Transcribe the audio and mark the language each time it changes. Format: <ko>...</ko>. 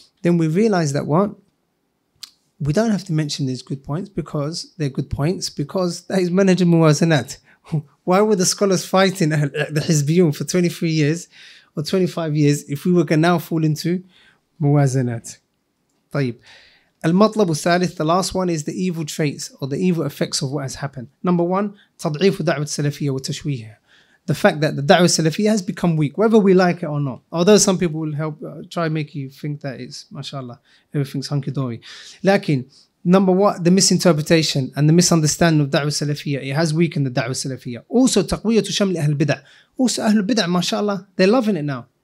<en>Then we realize that what? We don't have to mention these good points because they're good points because that is manhaj al-muwazanat. Why were the scholars fighting the Hizbiyun for 23 years or 25 years if we were going to now fall into muwazanat. طيب.</en> <ar>المطلب الثالث,</ar> <en>the last one, is the evil traits or the evil effects of what has happened. Number one,</en> <ar>تضعيف دعوة السلفية وتشويهها.</ar> <en>The fact that the da'wah al-salafiyya has become weak, whether we like it or not. Although some people will help try and make you think that it's, mashallah, everything's hunky-dory. Lakin, number one, the misinterpretation and the misunderstanding of da'wah al-salafiyya, it has weakened the da'wah al-salafiyya. Also, taqwiyya to shamli ahl bid'ah. Also, ahl bid'ah, mashallah, they're loving it now.</en>